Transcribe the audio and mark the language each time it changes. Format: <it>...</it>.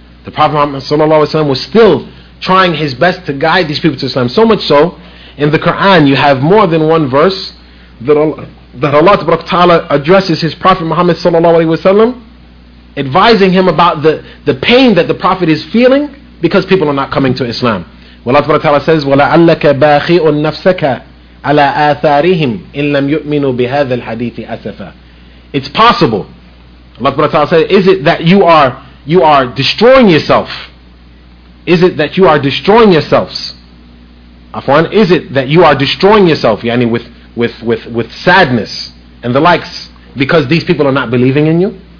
<en>The Prophet Muhammad Sallallahu Alaihi Wasallam was still trying his best to guide these people to Islam. So much so, in the Quran you have more than one verse that Allah addresses his Prophet Muhammad Sallallahu Alaihi Wasallam, advising him about the pain that the Prophet is feeling because people are not coming to Islam. Allah Ta'ala says,</en> <ar>وَلَعَلَّكَ بَاخِئٌ نَفْسَكَ عَلَىٰ آثَارِهِمْ إِن لَمْ يُؤْمِنُوا بِهَذَا الْحَدِيثِ أَسَفًا.</ar> <en>It's possible. Allah Ta'ala says, is it that you are destroying yourself? Is it that you are destroying yourselves? Afwan, is it that you are destroying yourself, yani with sadness and the likes, because these people are not believing in you?</en>